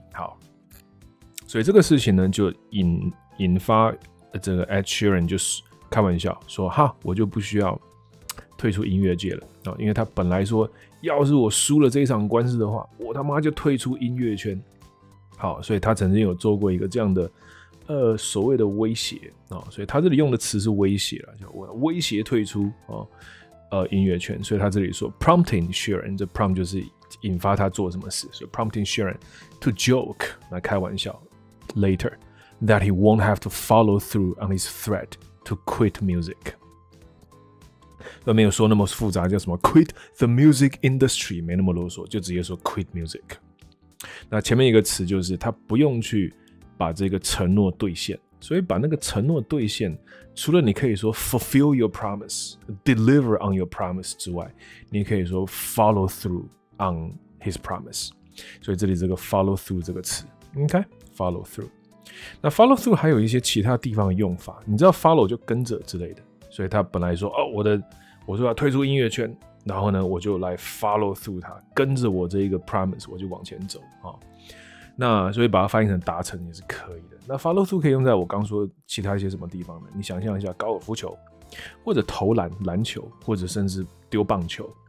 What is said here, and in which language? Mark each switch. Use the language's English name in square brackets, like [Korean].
[Chinese] 好，所以这个事情呢，就引发这个 Ed Sheeran 就是开玩笑说，哈，我就不需要退出音乐界了，因为他本来说，要是我输了这一场官司的话，我他妈就退出音乐圈。好，所以他曾经有做过一个这样的所谓的威胁啊，所以他这里用的词是威胁了，就威胁退出啊音乐圈。所以他这里说 [English] prompting Sheeran， 这 prompt [Chinese] 就是引发他做什么事，所以 [English] prompting Sheeran to joke [Chinese] 来开玩笑 [English] later that he won't have to follow through on his threat to quit music。 [Chinese] 都没有说那么复杂，叫什么 [English] quit the music industry， [Chinese] 没那么啰嗦，就直接说 quit music。那前面一个词就是他不用去把这个承诺兑现，所以把那个承诺兑现，除了你可以说 [English] fulfill your promise， deliver on your promise [Chinese] 之外，你可以说 [English] follow through on his promise。 [Chinese] 所以这里这个 follow through 这个词 ，OK， follow through。那 follow through 还有一些其他地方的用法，你知道 follow 就跟着之类的。所以他本来说，哦，我说要退出音乐圈，然后呢，我就来 follow through 他，跟着我这一个 promise， 我就往前走啊。那所以把它翻译成达成也是可以的。那 follow through 可以用在我刚说其他一些什么地方呢？你想象一下高尔夫球，或者投篮篮球，或者甚至丢棒球。